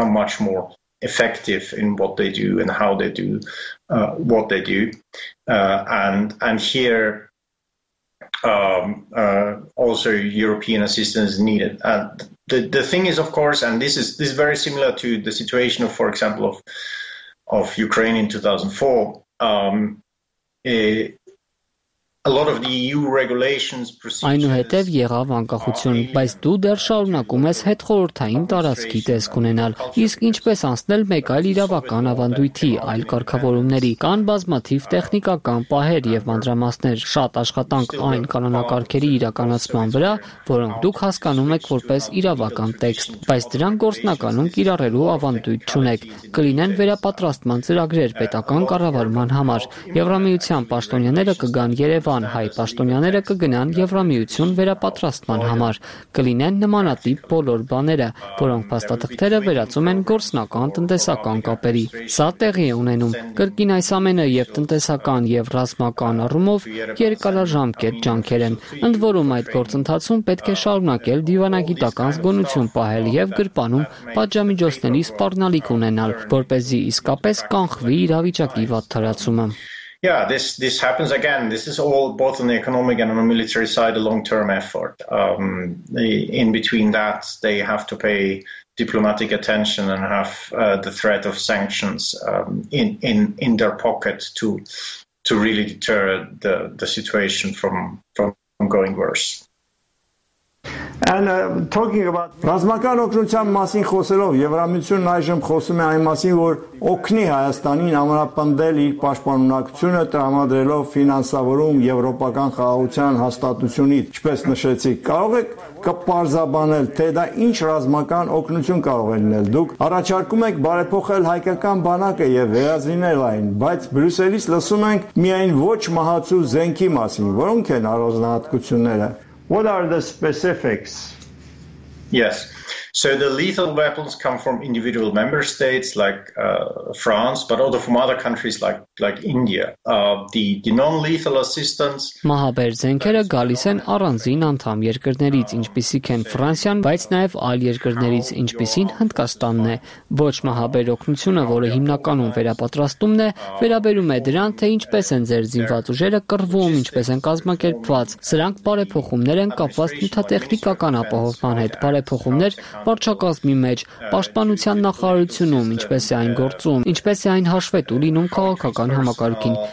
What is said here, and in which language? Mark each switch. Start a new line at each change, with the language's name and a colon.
English: օրենսդրություն։ Also European assistance is needed. The thing is, of course, and this is very similar to the situation of, for example, of Ukraine in 2004. A lot of the EU regulations procedures.
Armenian: Այնուհետև եղավ անկախություն, բայց դու դեռ շարունակում ես հետ խորհրդային տարածքի տեսք ունենալ։ Իսկ ինչպես անցնել մեկ այլ իրավական ավանդույթի, այլ կարգավորումների, կան բազմաթիվ տեխնիկական պահեր և մանդրամասներ, շատ աշխատանք այն կանոնակարգերի իրականացման վրա, որոնք դուք հասկանում եք որպես իրավական տեքստ, բայց դրան գործնականում կիրառելու ավանդույթ չունեք, կլինեն վերապատրաստման ծրագրեր պետական կառավարման համար։ Եվրամիության պաշտոնյաները կգան Երևան, հայ պաշտոնյաները կգնան Եվրամիություն վերապատրաստման համար, կլինեն նմանատիպ բոլոր բաները, որոնք փաստաթղթերը վերածում են գործնական տնտեսական կապերի։ Սա տեղի է ունենում, կրկին այս ամենը և տնտեսական և ռազմական առումով երկարաժամկետ ջանքեր են։ Ընդ որում, այդ գործընթացում պետք է շարունակել դիվանագիտական զգոնություն պահել և գրպանում պատժամիջոցների սպառնալիք ունենալ, որպեսզի իսկապես կանխվի իրավիճակի վատթարացումը։
English: Yeah, this happens again. This is all both on the economic and on the military side, a long-term effort. In between that, they have to pay diplomatic attention and have the threat of sanctions in their pocket to really deter the situation from going worse. And talking about
Armenian: ռազմական օգնության մասին խոսելով, Եվրամիությունն այժմ խոսում է այն մասին, որ օգնի Հայաստանին ամրապնդել իր պաշտպանունակությունը տրամադրելով ֆինանսավորում Եվրոպական խաղաղության հաստատությունից, ինչպես նշեցիք։ Կարող եք կպարզաբանել, թե դա ինչ ռազմական օգնություն կարող է լինել։ Դուք առաջարկում եք բարեփոխել հայկական բանակը և վերազինել այն, բայց Բրյուսելից լսում ենք միայն ոչ մահացու զենքի մասին։ Որոնք են առանձնահատկությունները։
English: What are the specifics? Yes. So the lethal weapons come from individual member states like France, but also from other countries like India. The non-lethal assistance.
Armenian: Մահաբեր զենքերը գալիս են առանձին անդամ երկրներից, ինչպիսիք են Ֆրանսիան, բայց նաև այլ երկրներից, ինչպիսին Հնդկաստանն է։ Ոչ մահաբեր օգնությունը, որը հիմնականում վերապատրաստումն է, վերաբերում է դրան, թե ինչպես են ձեր զինված ուժերը կռվում, ինչպես են կազմակերպված։ Սրանք բարեփոխումներ են կապված նյութատեխնիկական ապահովման հետ, բարեփոխումներ Վարչակազմի մեջ, Պաշտպանության նախարարությունում, ինչպես է այն գործում, ինչպես է այն հաշվետու լինում քաղաքական համակարգին,